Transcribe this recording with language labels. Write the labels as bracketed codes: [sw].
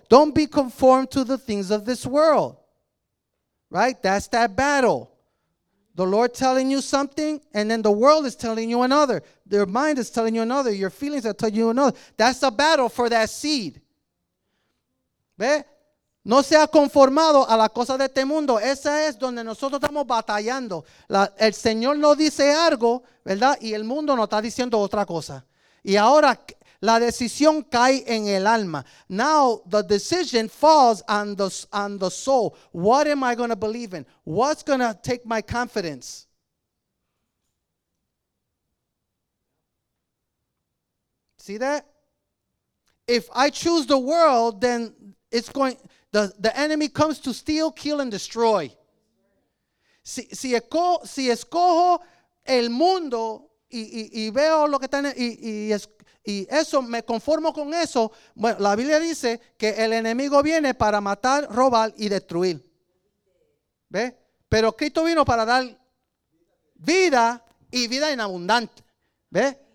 [en] Don't be conformed to the things of this world, right? That's that battle. The Lord telling you something, and then the world is telling you another. Their mind is telling you another. Your feelings are telling you another. That's a battle for that seed. [es] ¿Ve? No se ha conformado a las cosas de este mundo. Esa es donde nosotros estamos batallando. El Señor nos dice algo, ¿verdad? Y el mundo nos está diciendo otra cosa. Y ahora la decisión cae en el alma. [en] Now the decision falls on the soul. What am I going to believe in? What's going to take my confidence? See that? If I choose the world, then it's going, the enemy comes to steal, kill, and destroy. [es] Si escojo el mundo y veo lo que está en y eso, me conformo con eso, bueno, la Biblia dice que el enemigo viene para matar, robar y destruir. ¿Ve? Pero Cristo vino para dar vida y vida en abundante. ¿Ve?